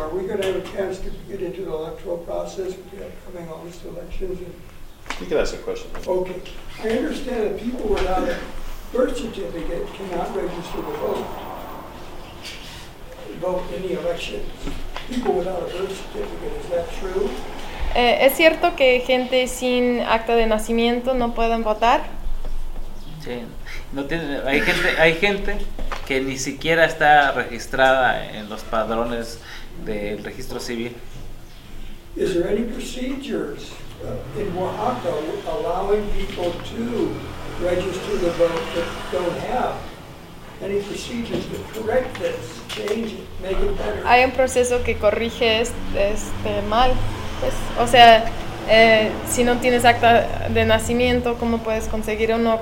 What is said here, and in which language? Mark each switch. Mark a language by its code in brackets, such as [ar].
[en] Are we going to have a chance to get into the electoral process with the upcoming August elections? You can ask a question. Okay. I understand that people without a birth certificate cannot register to vote in the elections. People without a birth certificate, is that true? [es] ¿Es cierto que gente sin acta de nacimiento no pueden votar? Sí, no tiene, hay gente que ni siquiera está registrada en los padrones del registro civil. [en] Is there any procedures in Oaxaca allowing people to register to vote that don't have any procedures to correct this, change it, make it better. [es] Hay un proceso que corrige este mal, pues, o sea. Si no tienes acta de nacimiento, ¿cómo puedes conseguir uno?